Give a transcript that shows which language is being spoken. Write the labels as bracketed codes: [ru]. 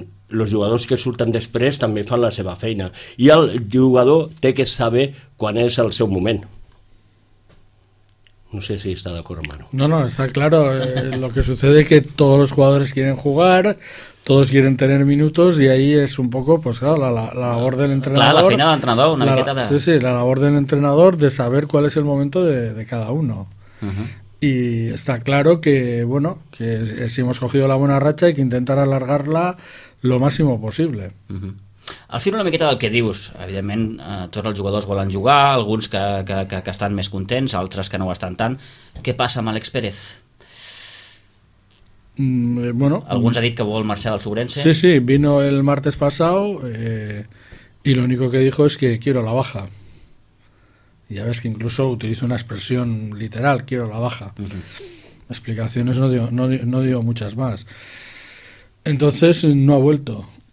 [ca] Els jugadors que surten després també fan la seva feina i el jugador té que saber quan és el seu moment. No sé si està d'acord, Manu. [es] No, está claro. Lo que sucede es que todos los jugadores quieren jugar, todos quieren tener minutos y ahí es un poco, pues claro, la labor del entrenador. Claro, la final del entrenador, [ca] una miqueta de... [es] Sí, la labor del entrenador de saber cuál es el momento de cada uno. Uh-huh. Y está claro que, bueno, que si hemos cogido la buena racha hay que intentar alargarla lo máximo posible. Uh-huh. [ca] Al final una miqueta del que dius, evidentment tots els jugadors volen jugar, alguns que estan més contents, altres que no ho estan tant. Què passa amb Àlex Pérez? Bueno, alguns ha dit que vol marxar del Sobrense. [es] Sí, sí, vino el martes pasado y lo único que dijo es que quiero la baja. Ya ves que incluso utilizo una expresión literal, quiero la baja. Uh-huh. Explicaciones no digo muchas más. Entonces no ha vuelto.